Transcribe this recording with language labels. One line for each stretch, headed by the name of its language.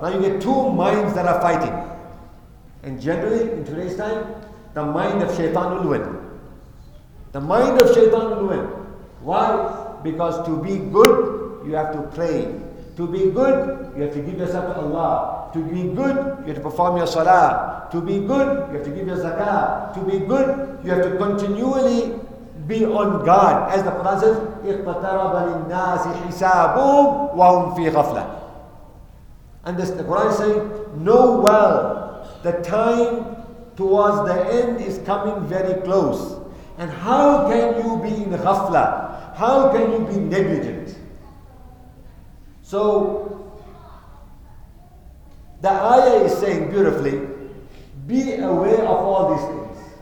English: Now you get two minds that are fighting. And generally, in today's time, the mind of shaitan will win. The mind of shaitan will win. Why? Because to be good, you have to pray. To be good, you have to give yourself to Allah. To be good, you have to perform your salah. To be good, you have to give your zakah. To be good, you have to continually be on guard. As the Quran says,
Arabic: اِقْتَرَبَ لِلنَّاسِ حِسَابُهُمْ وَهُمْ فِي غَفْلَةٍ.
English: And this, the Quran is saying, know well, the time towards the end is coming very close. And how can you be in ghafla? How can you be negligent? So, the ayah is saying beautifully, be aware of all these things.